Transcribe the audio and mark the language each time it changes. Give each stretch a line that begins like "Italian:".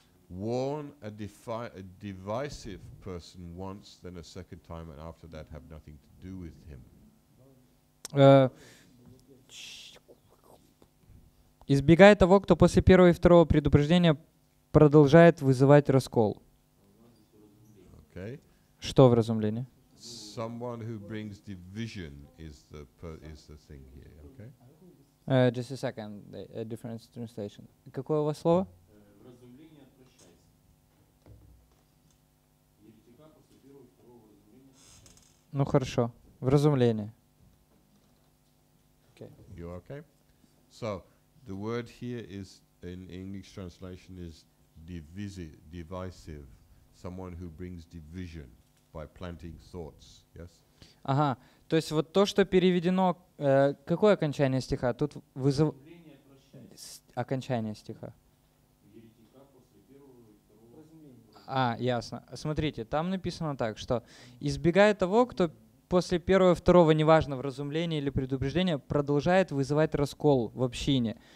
English: Warn a divisive person once, then a second time, and after that have nothing to do with him.
Russian: Избегай того, кто после первого и второго предупреждения продолжает вызывать раскол.
English: Okay.
Russian: Что в разумлении?
English: Someone who brings division is the thing here. Okay. Just a second. A different translation.
Russian: Какое у вас слово? Ну хорошо, в разумлении.
English: Okay. You okay? So the word here is in English translation is divisive, someone who brings division by planting thoughts. Yes.
Russian: Ага. То есть вот то, что переведено, какое окончание стиха? Тут вызов. Окончание стиха. Ясно. Смотрите, там написано так, что избегая того, кто после первого и второго, неважно, в разумлении или предупреждении, продолжает вызывать раскол в общине.